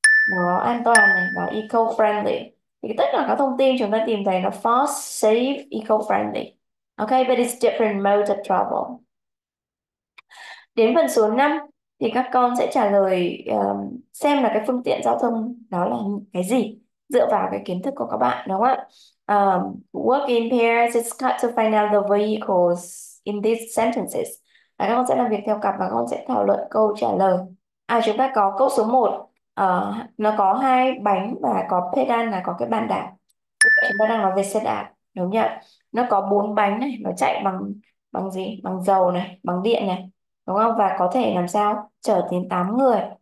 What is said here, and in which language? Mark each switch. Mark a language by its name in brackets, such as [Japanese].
[Vietnamese] Nó an toàn này, nó eco-friendly. Thì tất cả các thông tin chúng ta tìm thấy nó [English] fast, safe, eco-friendly. Okay, but it's different mode of travel. [Vietnamese] Đến phần số 5, thì các con sẽ trả lời xem là cái phương tiện giao thông đó là cái gì dựa vào cái kiến thức của các bạn đúng không ạ? [English] Work in pairs, it's got to find out the vehicles in these sentences. [Vietnamese] Các con sẽ làm việc theo cặp và các con sẽ thảo luận câu trả lời. Chúng ta có câu số 1, nó có hai bánh và có pedal là có cái bàn đạp. Chúng ta đang nói về xe đạp đúng không ạ? Nó có bốn bánh này, nó chạy bằng bằng gì? Bằng dầu này, bằng điện này. Đúng không? Và có thể làm sao chở đến 8 người.